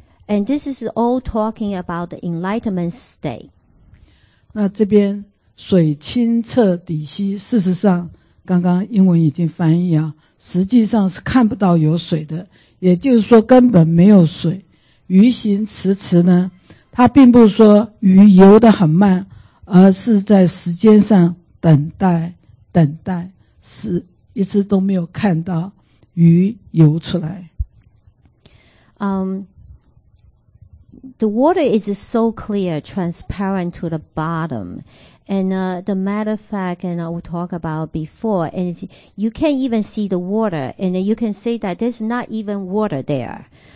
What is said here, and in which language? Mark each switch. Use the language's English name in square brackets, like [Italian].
[English] And this is all talking about the enlightenment state. [Chinese] 那这边水清澈底兮，事实上刚刚英文已经翻译啊，实际上是看不到有水的，也就是说根本没有水。鱼形迟迟呢，它并不是说鱼游得很慢，而是在时间上等待，是一直都没有看到鱼游出来。 [English] The water is so clear, transparent to the bottom. And the matter of fact, and I will talk about before, and you can't even see the water, and you can see that there's not even water there.